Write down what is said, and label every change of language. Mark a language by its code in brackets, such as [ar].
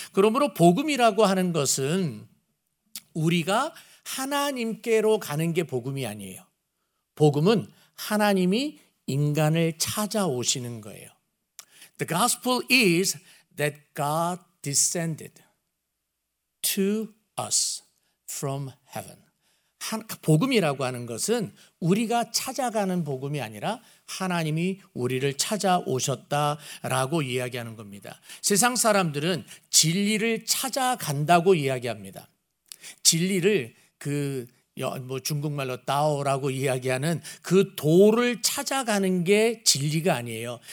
[ko] 그러므로 복음이라고 하는 것은 우리가 하나님께로 가는 게 복음이 아니에요. 복음은 하나님이 인간을 찾아오시는 거예요. [en] The gospel is that God descended to us from heaven. [ko] 복음이라고 하는 것은 우리가 찾아가는 복음이 아니라 하나님이 우리를 찾아오셨다라고 이야기하는 겁니다. 세상 사람들은 진리를 찾아간다고 이야기합니다. 진리를 중국말로 다오라고 이야기하는 그 도를 찾아가는 게 진리가 아니에요.